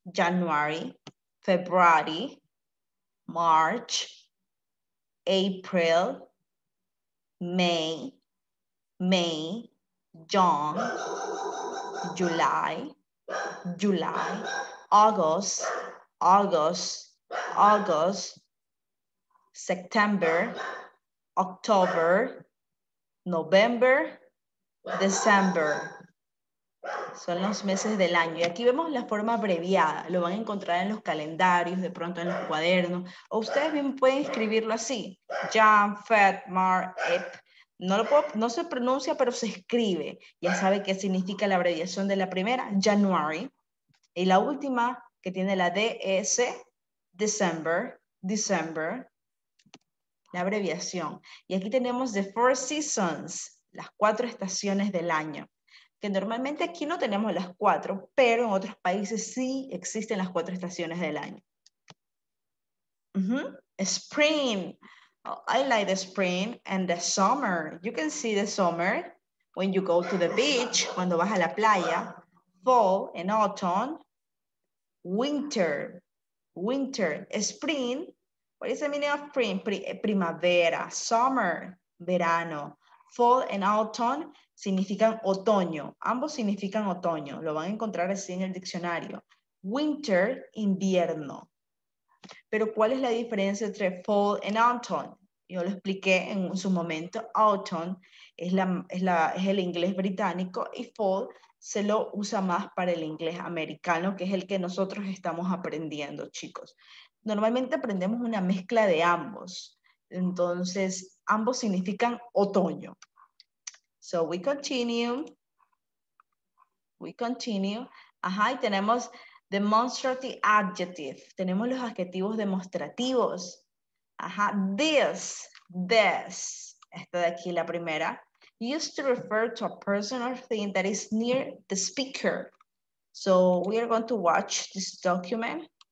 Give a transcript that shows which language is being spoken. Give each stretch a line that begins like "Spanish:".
English: January, February, March, April, May, May, June, July, July, August, August, August, September, October, November, December.
Spanish: Son los meses del año. Y aquí vemos la forma abreviada. Lo van a encontrar en los calendarios, de pronto en los cuadernos. O ustedes bien pueden escribirlo así. Jan, Feb, Mar, Ep. No lo puedo, no se pronuncia, pero se escribe. Ya sabe qué significa la abreviación de la primera, January. Y la última, que tiene la DS, December, December. La abreviación. Y aquí tenemos
English: the four seasons,
Spanish: las cuatro estaciones del año. Que normalmente aquí no tenemos las cuatro, pero en otros países sí existen las cuatro estaciones del año.
English: Spring. Oh, I like the spring and the summer. You can see the summer when you go to the beach,
Spanish: cuando vas a la playa.
English: Fall and autumn. Winter. Winter. Spring. What is the meaning of spring?
Spanish: Primavera. Summer. Verano.
English: Fall and autumn
Spanish: significan otoño. Ambos significan otoño. Lo van a encontrar así en el diccionario. Winter, invierno. Pero ¿cuál es la diferencia entre
English: fall and autumn?
Spanish: Yo lo expliqué en su momento. Autumn es el inglés británico y fall se lo usa más para el inglés americano, que es el que nosotros estamos aprendiendo, chicos. Normalmente aprendemos una mezcla de ambos. Entonces, ambos significan otoño.
English: So we continue. We continue.
Spanish: Ajá, y tenemos
English: demonstrative adjective.
Spanish: Tenemos los adjetivos demostrativos. Ajá,
English: this, this.
Spanish: Esta de aquí, la primera.
English: Used to refer to a person or thing that is near the speaker. So we are going to watch this document.